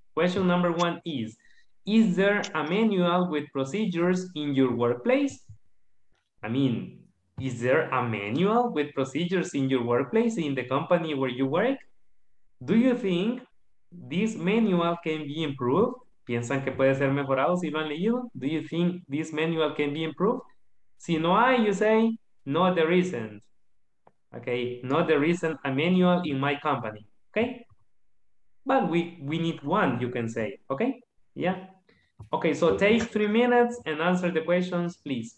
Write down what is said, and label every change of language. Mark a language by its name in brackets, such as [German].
[English] Question number one is there a manual with procedures in your workplace? I mean, is there a manual with procedures in your workplace in the company where you work? Do you think this manual can be improved? [Spanish] ¿Piensan que puede ser mejorado si lo han leído? [English] Do you think this manual can be improved? [Spanish] Si no hay, [English] you say, no, there isn't. Okay, no, there isn't a manual in my company. Okay? But we need one, you can say. Okay? Yeah. Okay, so take 3 minutes and answer the questions, please.